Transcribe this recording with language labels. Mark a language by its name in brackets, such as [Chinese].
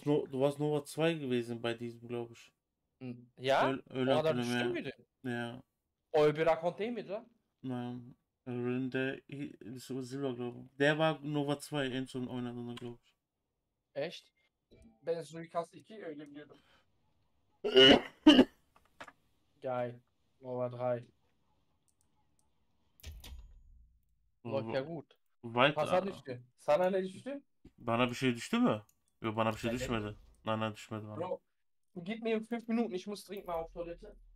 [German] Du warst Nova 2 gewesen bei diesem, glaube ich. [Turkish] Ya? Öyle o kadar düştün müydü? Ya. O öbür akont değil miydi lan? [German] Nein. [Turkish] Öbüründe Silver Globe. [German] Der war [Turkish] Nova 2 en son oynadığında Globe. [German] Echt? [Turkish] Ben Suikast 2 öyle biliyordum. [German] Geil. Nova 3. Läuft ya gut. Weiter. [Turkish] Pasa düştü. Sana ne düştü? Bana bir şey düştü mü? Yok bana bir şey düşmedi. [German] Nein, nein [Turkish] düşmedi bana. [German] Gib mir 5 Minuten, ich muss dringend mal auf Toilette.